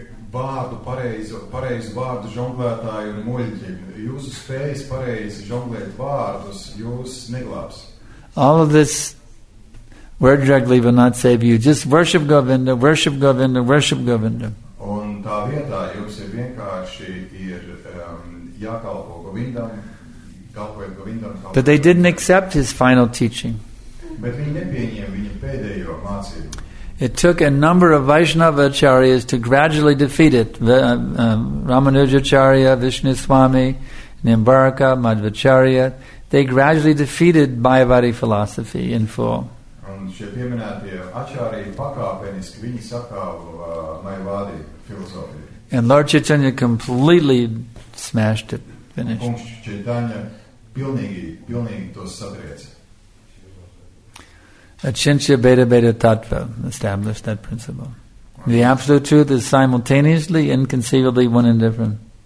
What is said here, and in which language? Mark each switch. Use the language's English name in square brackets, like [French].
[Latvian] Vārdu pareizi vārdu žonglētāji un muļķi. Jūsu spējas pareizi žonglēt vārdus, jūs neglābs. [English] All of this word jugglery will not save you. Just worship Govinda, worship Govinda, worship Govinda. [Latvian] Un tā vietā jums ir vienkārši ir jākalpo Govindam, kalpojot Govindam. [English] But they didn't accept his final teaching. [Latvian] Bet viņi nepieņēma viņa pēdējo mācību. [English] It took a number of Vaishnava acharyas to gradually defeat it. Ramanujacharya, Vishnu Swami, Nimbarka, Madhvacharya, they gradually defeated Mayavadi philosophy in full. [Latvian] Un šie pieminētie acharyi pakāpeniski viņi sakāvu Mayavadi filozofiju. [English] And Lord Chaitanya completely smashed it, finished. [Latvian] Un Chaitanya pilnīgi tos satrieca. [English] Achintya Beda Beda Tattva established that principle. The absolute truth is simultaneously, inconceivably, one and different.